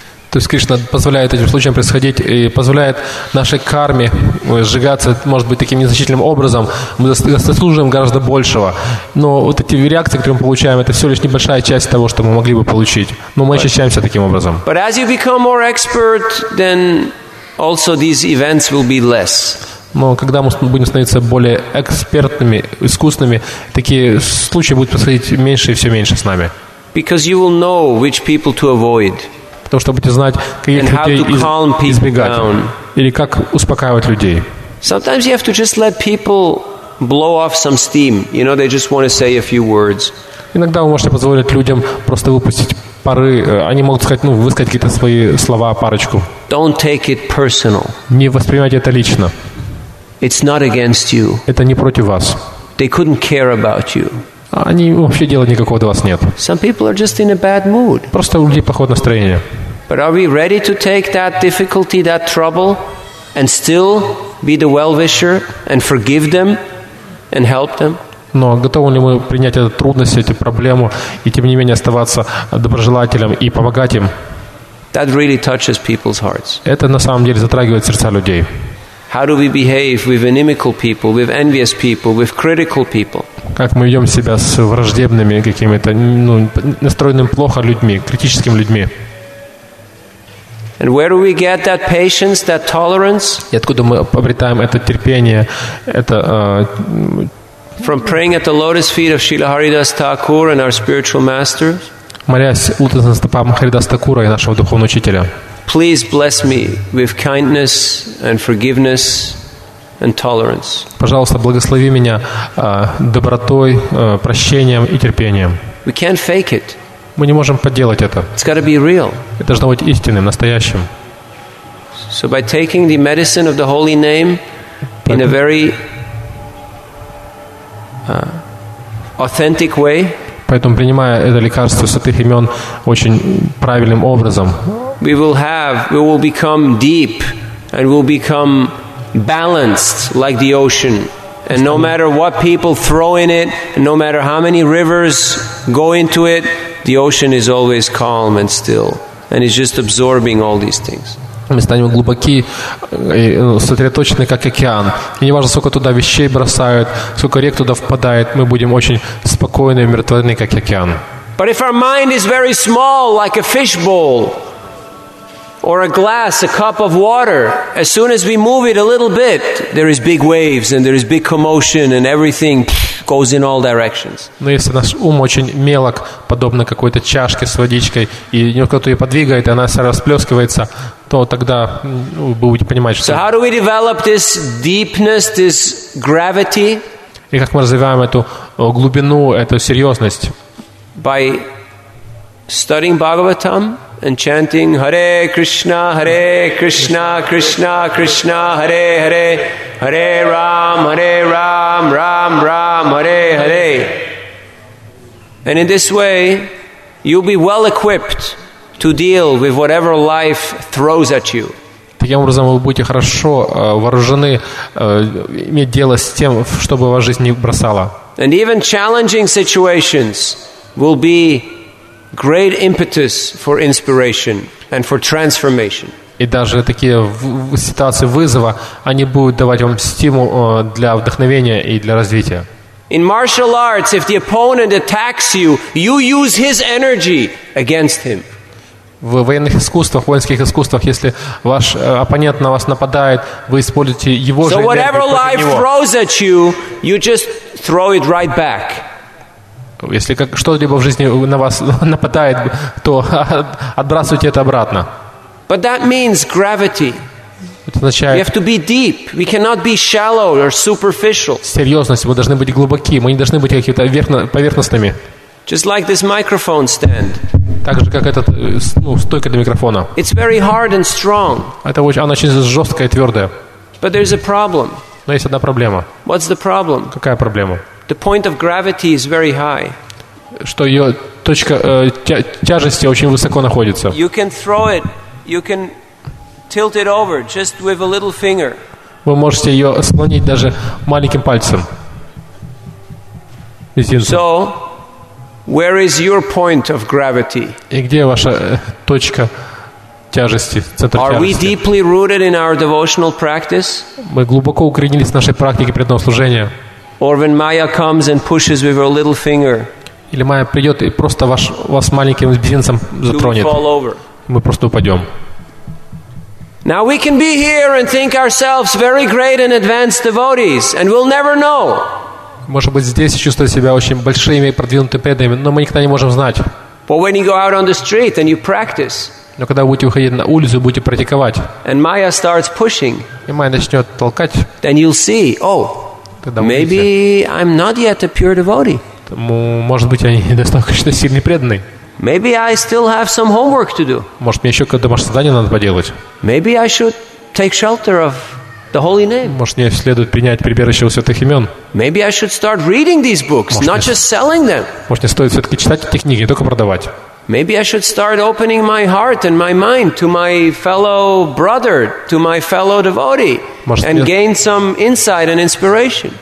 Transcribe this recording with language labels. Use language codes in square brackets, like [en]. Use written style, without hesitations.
[ru] То есть Кришна позволяет этим случаям происходить и позволяет нашей карме сжигаться, может быть, таким незначительным образом. Мы заслуживаем гораздо большего. Но вот эти реакции, которые мы получаем, это всего лишь небольшая часть того, что мы могли бы получить. Но мы очищаемся таким образом. [en] But as you become more expert, then also these events will be less. [ru] Но когда мы будем становиться более экспертными, искусными, такие случаи будут происходить меньше и все меньше с нами. [en] Because you will know which people to avoid. [ru] Потому что будете знать, каких людей избегать. [en] Down. [ru] Или как успокаивать людей. [en] Sometimes you have to just let people blow off some steam. You know, they just want to say a few words. [ru] Иногда вы можете позволить людям просто выпустить пары. Они могут сказать, ну, высказать какие-то свои слова, парочку. [en] Don't take it personal. [ru] Не воспринимайте это лично. [en] It's not against you. [ru] Это не против вас. [en] They couldn't care about you. [ru] Они вообще дела никакого до вас нет. [en] Some people are just in a bad mood. [ru] Просто у людей плохое настроение. [en] But are we ready to take that difficulty, that trouble, and still be the well-wisher and forgive them and help them? [ru] Но готовы ли мы принять эту трудность, эту проблему, и тем не менее оставаться доброжелателем и помогать им? [en] That really touches people's hearts. [ru] Это на самом деле затрагивает сердца людей. [en] How do we behave with inimical people, with envious people, with critical people? [ru] Как мы ведем себя с враждебными какими-то, ну, настроенными плохо людьми, критическими людьми? [en] And where do we get that patience, that tolerance? [ru] И откуда мы обретаем это терпение, это? [en] From praying at the lotus feet of Srila Haridas Thakur and our spiritual master. [ru] Молясь у лотосных стоп Харидас Такура и нашего духовного учителя. [en] Please bless me with kindness and forgiveness and tolerance. [ru] Пожалуйста, благослови меня добротой, прощением и терпением. [en] We can't fake it. [ru] Мы не можем подделать это. [en] It's got to be real. [ru] Это должно быть истинным, настоящим. [en] So by taking the medicine of the holy name in a very authentic way. [ru] Поэтому принимая это лекарство святых имен очень правильным образом. [en] We will become deep and we'll become balanced like the ocean. And no matter what people throw in it, and no matter how many rivers go into it, the ocean is always calm and still. And it's just absorbing all these things. [ru] Мы станем глубоки и сосредоточены, как океан. И не важно, сколько туда вещей бросают, сколько рек туда впадает, мы будем очень спокойны и умиротворены, как океан. [en] But if our mind is very small, like a fishbowl, or a glass, a cup of water, as soon as we move it a little bit, there is big waves and there is big commotion and everything goes in all directions. [ru] Но если наш ум очень мелок, подобно какой-то чашке с водичкой, и кто-то ее подвигает, и она вся расплескивается, то тогда вы будете понимать, что... [en] So how do we develop this deepness, this gravity? [ru] И как мы развиваем эту глубину, эту серьезность? [en] By studying Bhagavatam and chanting Hare Krishna, Hare Krishna, Krishna Krishna, Hare Hare, Hare Ram, Hare Ram, Ram Ram, Hare Hare. And in this way, you'll be well equipped to deal with whatever life throws at you. [ru] Таким образом, вы будете хорошо вооружены иметь дело с тем, чтобы вас жизнь не бросала. [en] And even challenging situations will be great impetus for inspiration and for transformation. [ru] И даже такие ситуации вызова, они будут давать вам стимул для вдохновения и для развития. [en] In martial arts, if the opponent attacks you, you use his energy against him. [ru] В военных искусствах, в воинских искусствах, если ваш оппонент на вас нападает, вы используете его же энергию против него. [en] Right, [ru] если что-либо в жизни на вас нападает, то отбрасывайте это обратно. [en] But that means gravity. [ru] Это означает, [en] we have to be deep. We cannot be shallow or superficial. [ru] Серьезность, мы должны быть глубоки, мы не должны быть какими-то поверхностными. [en] Just like this microphone stand. [ru] Так же, как этот, ну, стойка для микрофона. [en] It's very hard and strong. [ru] Это очень, она очень жесткая и твердая. [en] But there's a problem. [ru] Но есть одна проблема. [en] What's the problem? [ru] Какая проблема? [en] The point of gravity is very high. [ru] Что ее точка тяжести очень высоко находится. [en] You can throw it, you can tilt it over just with a little finger. [ru] Вы можете ее склонить даже маленьким пальцем. [en] So, where is your point of gravity? [ru] И где ваша точка тяжести, центр [en] Are [ru] тяжести. [en] We deeply rooted in our devotional practice? [ru] Мы глубоко укоренились в нашей практике преданного служения. [en] Or when Maya comes and pushes with her little finger. [ru] Или Майя придет и просто вас маленьким бизнесом затронет. [en] Fall over. [ru] Мы просто упадем. [en] Now we can be here and think ourselves very great and advanced devotees, and we'll never know. [ru] Может быть, здесь чувствовать себя очень большими и продвинутыми преданными, но мы никогда не можем знать. [en] But when you go out on the street and you practice, [ru] но когда будете выходить на улицу, будете практиковать, [en] and Maya starts pushing, [ru] и Майя начнет толкать, [en] then you'll see, oh, maybe I'm not yet a pure devotee. [ru] Может быть, я недостаточно сильный преданный. [en] Maybe I still have some homework to do. [ru] Может, мне еще какое-то домашнее задание надо поделать. [en] Maybe I should take shelter of the holy name. [ru] Может, мне следует принять прибежище у святых имен. [en] Maybe I should start reading these books, not just selling them. [ru] Может, мне стоит все-таки читать эти книги, не только продавать. [en] Maybe I should start opening my heart and my mind to my fellow brother, to my fellow devotee, and gain some insight and inspiration.